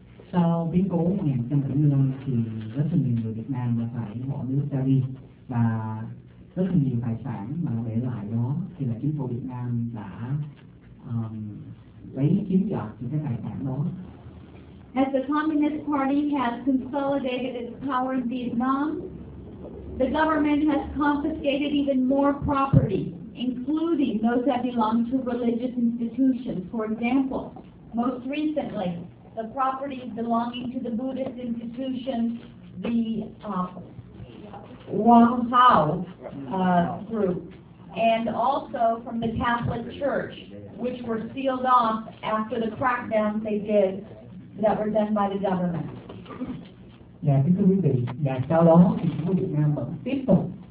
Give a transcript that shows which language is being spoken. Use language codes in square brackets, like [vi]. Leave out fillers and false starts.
[vi] Sau biến cố 1975 thì rất là nhiều người Việt Nam đã phải bỏ nước ra đi, và rất là nhiều tài sản mà để lại đó thì là chính phủ Việt Nam đã lấy chiếm đoạt những cái tài sản đó. [en] As the Communist Party has consolidated its power in Vietnam, the government has confiscated even more property, including those that belong to religious institutions. For example, most recently, the property belonging to the Buddhist institution, the Wong Hao group, and also from the Catholic Church, which were sealed off after the crackdowns they did that were done by the government. [vi] Dạ, kính thưa quý vị, sau đó thì chính phủ Việt Nam vẫn tiếp tục